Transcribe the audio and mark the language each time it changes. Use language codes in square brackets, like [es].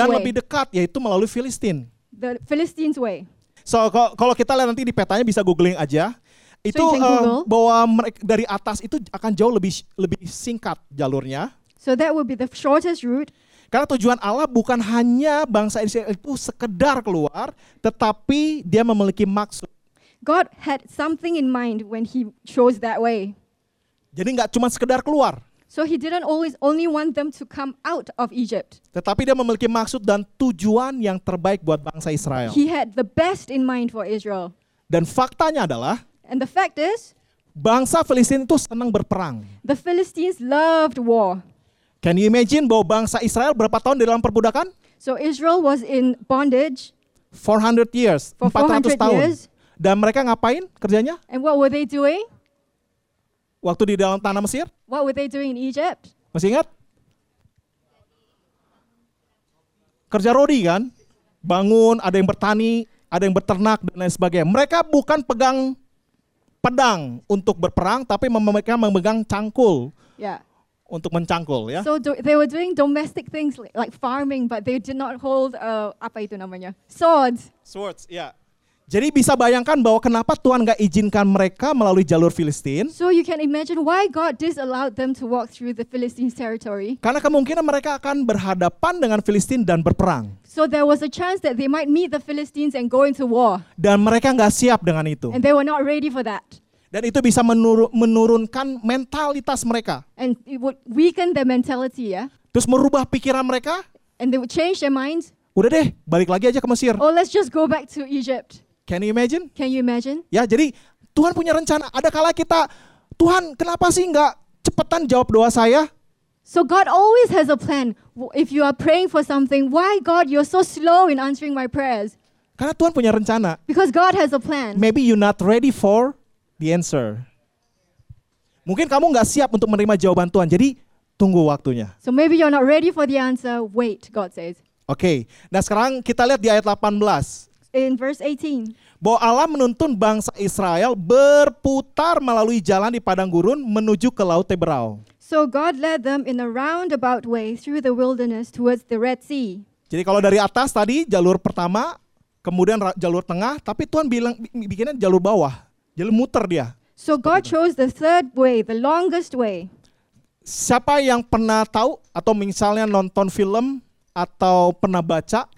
[id] Dan lebih dekat yaitu melalui Filistin. [en] The Philistines way. [id] So kalau kita lihat nanti di petanya bisa googling aja. Itu [en] so [id] bahwa mereka dari atas itu akan jauh lebih singkat jalurnya. [en] So that would be the shortest route. [id] Karena tujuan Allah bukan hanya bangsa Israel itu sekedar keluar, tetapi dia memiliki maksud. [en] God had something in mind when he chose that way. [id] Jadi enggak cuma sekedar keluar. [en] So he didn't always only want them to come out of Egypt. [id] Tetapi dia memiliki maksud dan tujuan yang terbaik buat bangsa Israel. [en] He had the best in mind for Israel. [id] Dan faktanya adalah, [en] and the fact is, [id] bangsa Filistin itu senang berperang. [en] The Philistines loved war. Can you imagine [id] bahwa bangsa Israel berapa tahun di dalam perbudakan? [en] So Israel was in bondage 400 years. For 400 [id] tahun. [en] Years. [id] Dan mereka ngapain kerjanya? [en] And what were they doing? [id] Waktu di dalam tanah Mesir? [en] What were they doing in Egypt? [id] Masih ingat? Kerja rodi kan? Bangun, ada yang bertani, ada yang beternak dan lain sebagainya. Mereka bukan pegang pedang untuk berperang, tapi mereka memegang cangkul. [en] Yeah. [id] Untuk mencangkul ya. [en] So they were doing domestic things like farming, but they did not hold [id] apa itu namanya? [en] Swords. Swords, yeah. [id] Jadi bisa bayangkan bahwa kenapa Tuhan enggak izinkan mereka melalui jalur Filistin? [en] So you can imagine why God disallowed them to walk through the Philistine territory. [id] Karena kemungkinan mereka akan berhadapan dengan Filistin dan berperang. [en] So there was a chance that they might meet the Philistines and go into war. [id] Dan mereka enggak siap dengan itu. [en] And they were not ready for that. [id] Dan itu bisa menurunkan mentalitas mereka. [en] And it would weaken their mentality, ya. [id] Terus merubah pikiran mereka? [en] And they would change their minds. [id] Udah deh, balik lagi aja ke Mesir. [en] Oh, let's just go back to Egypt. Can you imagine? Can you imagine? [id] Ya, jadi Tuhan punya rencana. Ada kala kita, Tuhan, kenapa sih enggak cepetan jawab doa saya? [en] So God always has a plan. If you are praying for something, why God, you're so slow in answering my prayers? [id] Karena Tuhan punya rencana. [en] Because God has a plan. Maybe you're not ready for the answer. [id] Mungkin kamu enggak siap untuk menerima jawaban Tuhan. Jadi tunggu waktunya. [en] So maybe you're not ready for the answer. Wait, God says. [id] Okay. Nah, sekarang kita lihat di ayat 18. [en] In verse 18. [id] Bahwa Allah menuntun bangsa Israel berputar melalui jalan di padang gurun menuju ke Laut Teberau. [en] So God led them in a roundabout way through the wilderness towards the Red Sea. [id] Jadi kalau dari atas tadi jalur pertama, kemudian jalur tengah, tapi Tuhan bilang bikinnya jalur bawah. Jalur muter dia. [en] So God chose the third way, the longest way. [id] Siapa yang pernah tahu atau misalnya nonton film atau pernah baca?